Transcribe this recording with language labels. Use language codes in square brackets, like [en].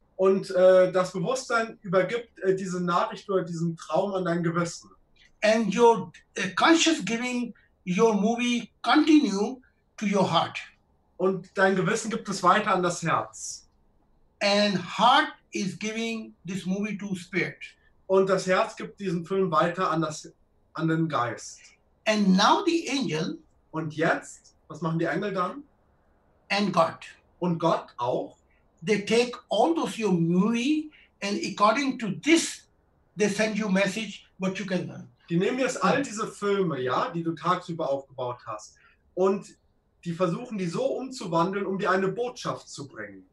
[de] Und das Bewusstsein übergibt diese Nachricht oder diesen Traum an dein Gewissen. [en] And your conscious giving your movie continue to your heart. [de] Und dein Gewissen gibt es weiter an das Herz. [en] And heart is giving this movie to spirit. [de] Und das Herz gibt diesen Film weiter an den Geist. [en] And now the angel. [de] Und jetzt, was machen die Engel dann? [en] And God. [de] Und Gott auch. [en] They take all those your movie and according to this, they send you message what you can learn. [de] Die nehmen jetzt all diese Filme, ja, die du tagsüber aufgebaut hast, und die versuchen, die so umzuwandeln, um dir eine Botschaft zu bringen.